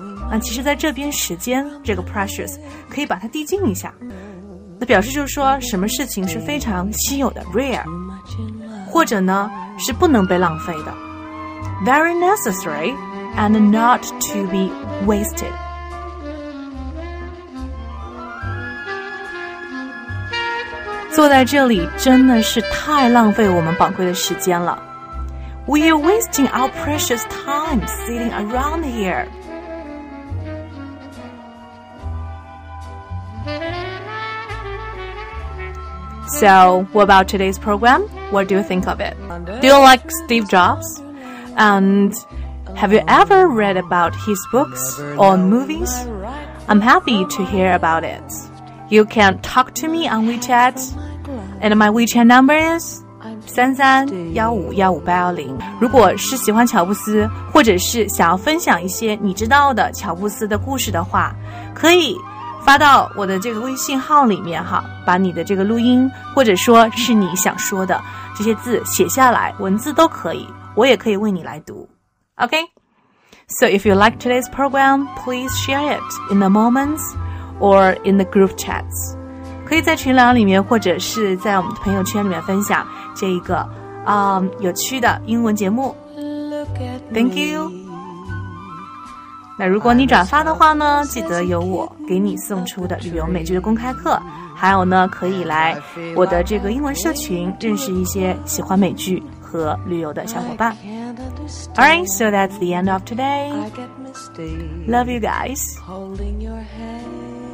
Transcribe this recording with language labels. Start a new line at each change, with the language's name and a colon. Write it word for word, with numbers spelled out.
Chinese: 那其实在这边时间这个 precious 可以把它递进一下，那表示就是说什么事情是非常稀有的 rare， 或者呢是不能被浪费的
English: very necessary and not to be wasted。
Chinese: 坐在这里真的是太浪费我们宝贵的时间了。
English: We are wasting our precious time sitting around here。 So, what about today's program? What do you think of it? Do you like Steve Jobs? And have you ever read about his books or movies? I'm happy to hear about it. You can talk to me on WeChat. And my WeChat number is
Chinese: 三三幺五幺五八幺零。如果是喜欢乔布斯，或者是想要分享一些你知道的乔布斯的故事的话，可以发到我的这个微信号里面哈，把你的这个录音或者说是你想说的这些字写下来，文字都可以，我也可以为你来读。
English: Okay? So if you like today's program, please share it in the moments or in the group chats.
Chinese: 可以在群聊里面或者是在我们的朋友圈里面分享这一个、um, 有趣的英文节目。
English: Thank you.
Chinese: 那如果你转发的话呢，记得有我给你送出的旅游美剧的公开课，还有呢可以来我的这个英文社群认识一些喜欢美剧和旅游的小伙伴。
English: Alright, so that's the end of today. Love you guys.